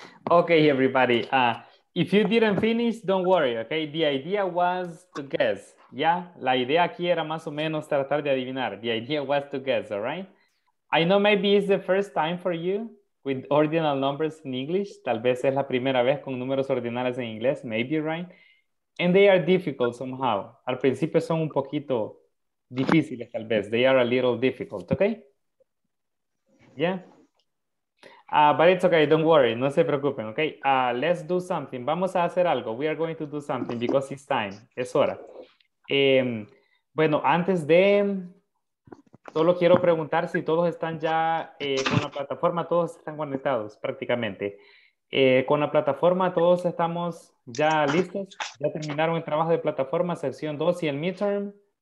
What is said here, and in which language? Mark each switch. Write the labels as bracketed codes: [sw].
[en] Okay, everybody. If you didn't finish, don't worry, okay? The idea was to guess, yeah? [es] La idea aquí era más o menos tratar de adivinar. [en] The idea was to guess, all right? I know maybe it's the first time for you with ordinal numbers in English. [es] Tal vez es la primera vez con números ordinales en inglés, [en] maybe, right? And they are difficult somehow. [es] Al principio son un poquito difíciles, tal vez. [en] They are a little difficult, okay? Yeah? But it's okay, don't worry, [es] no se preocupen, [en] okay? Let's do something, [es] vamos a hacer algo, [en] we are going to do something because it's time, [es] es hora. Bueno, antes de, solo quiero preguntar si todos están ya con la plataforma, todos están conectados prácticamente. Con la plataforma, todos estamos ya listos, ya terminaron el trabajo de plataforma, sección 2 y el midterm.